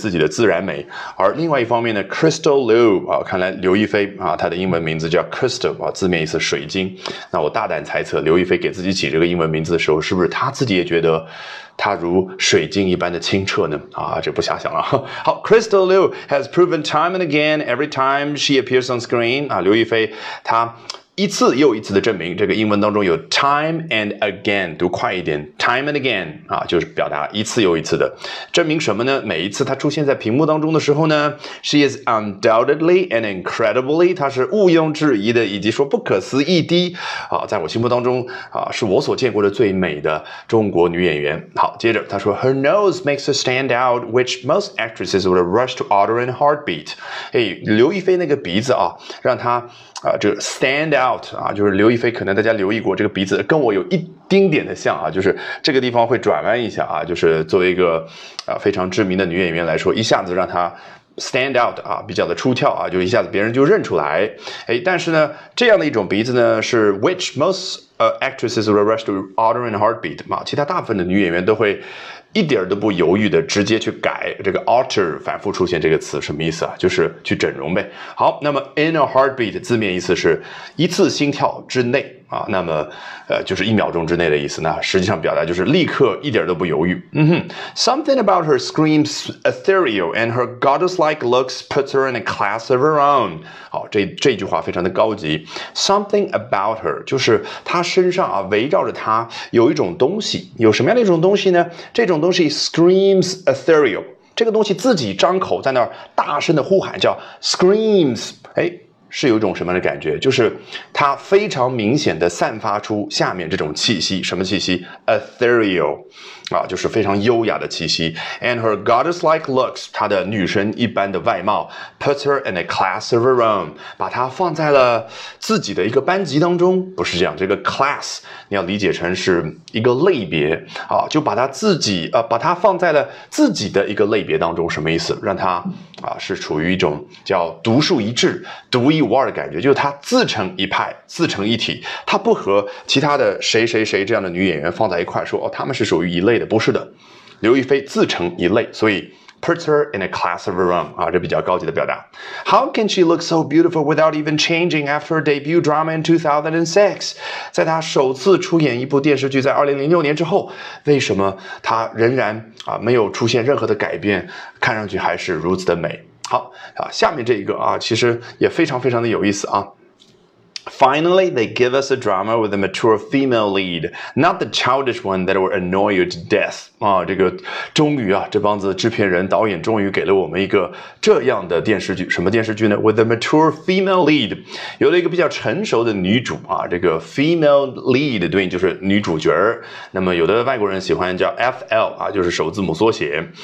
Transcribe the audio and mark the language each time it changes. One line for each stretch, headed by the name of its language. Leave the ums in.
Chinese: 自然美，而另外一方面呢，Crystal Liu 啊，看来刘亦菲啊，她的英文名字叫 Crystal 啊，字面意思水晶。那我大胆猜测，刘亦菲给自己起这个英文名字的时候，是不是她自己也觉得她如水晶一般的清澈呢？啊，这不瞎想啊。
English: 好，Crystal Liu has proven time and again, every time she appears on screen，啊，
Chinese: 刘亦菲她。一次又一次的证明，这个英文当中有 time and again，读快一点，time and again 啊，就是表达一次又一次的证明什么呢？每一次她出现在屏幕当中的时候呢，
English: she is undoubtedly and incredibly，
Chinese: 她是毋庸置疑的，以及说不可思议的啊，在我心目当中啊，是我所见过的最美的中国女演员。
English: 好，
Chinese: 接着她说，
English: her nose makes her stand out，which most actresses would rush to order and heartbeat。
Chinese: 哎，刘亦菲那个鼻子啊，让她。啊，这个 stand out 啊，就是刘亦菲，可能大家留意过这个鼻子，跟我有一丁点的像啊，就是这个地方会转弯一下啊，就是作为一个啊非常知名的女演员来说，一下子让她。 Stand out 啊，比较的出挑啊，就一下子别人就认出来。哎，但是呢，这样的一种鼻子呢，是
English: which most uh actresses w rush to alter in a heartbeat
Chinese: 嘛，其他大部分的女演员都会一点儿都不犹豫的直接去改。这个 alter 反复出现这个词什么意思啊？就是去整容呗。好，那么 in a heartbeat 字面意思是一次心跳之内。啊，那么，呃，就是一秒钟之内的意思。那实际上表达就是立刻，一点都不犹豫。
English: 嗯哼，Something about her screams ethereal, and her goddess-like looks puts her in a class of her own。
Chinese: 好，这这句话非常的高级。
English: Something about her，
Chinese: 就是她身上啊，围绕着她有一种东西，有什么样的一种东西呢？这种东西 screams ethereal，这个东西自己张口在那儿大声的呼喊，叫 screams。哎。是有一种什么样的感觉？就是它非常明显的散发出下面这种气息，什么气息 a e t h e r e a l 啊，就是非常优雅的气息，
English: and her goddess-like looks，
Chinese: 她的女神一般的外貌，
English: puts her in a class of her own，
Chinese: 把她放在了自己的一个班级当中。不是这样，这个 class 你要理解成是一个类别啊，就把她自己，呃，把她放在了自己的一个类别当中，什么意思？让她啊，是处于一种叫独树一帜、独一无二的感觉，就是她自成一派、自成一体，她不和其他的谁谁谁这样的女演员放在一块说，说哦，他们是属于一类。不是的，刘亦菲自成一类，所以
English: puts her in a class of her own
Chinese: 啊，这比较高级的表达。
English: How can she look so beautiful without even changing after debut drama in two thousand and six？
Chinese: 在她首次出演一部电视剧在二零零六年之后，为什么她仍然啊没有出现任何的改变，看上去还是如此的美好啊？下面这一个啊，其实也非常非常的有意思啊。
English: Finally, they give us a drama with a mature female lead, not the childish one that w i l l a n n o y you to death.
Chinese: 啊，这个终于啊，这帮子制片人导演终于给了我们一个这样的电视剧。什么电视剧呢？
English: With a mature female lead,
Chinese: 有了一个比较成熟的女主啊。这个 female lead 对应就是女主角。那么有的外国人喜欢叫 FL 啊，就是首字母缩写。